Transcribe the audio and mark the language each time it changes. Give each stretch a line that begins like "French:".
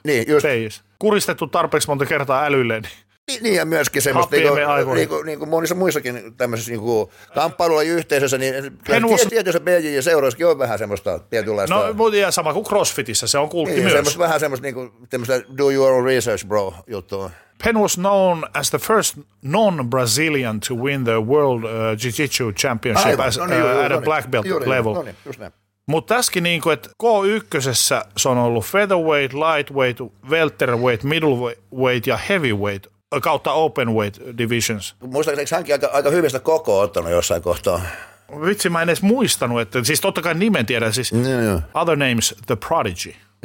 Finnish: Niin, just. Kuristettu tarpeeksi monta kertaa älylleen. Niin, ja myöskin semmoista, niin kuin monissa muissakin tämmöisissä niin kamppailulla yhteisössä, niin tietyissä BJJ-seuroissakin on vähän semmoista tietynlaista. No, mutta sama kuin CrossFitissä, se on kultti niin, myös. Semmoista, vähän semmoista, niin kuin, semmoista
English: do your own research, bro,
Finnish: juttu.
English: Penn was known as the first non-Brazilian to win the world jiu-jitsu championship black belt level.
Finnish: No niin, just näin. Mutta tässäkin, niin että K1:ssä se on ollut featherweight, lightweight, welterweight, middleweight ja heavyweight. Kautta
English: open weight divisions.
Finnish: Muistaakseni, eikö hänkin aika hyvin sitä kokoa ottanut jossain kohtaa? Vitsi, mä en edes muistanut, että siis totta kai nimen tiedän, siis
English: other names,
Finnish: The Prodigy.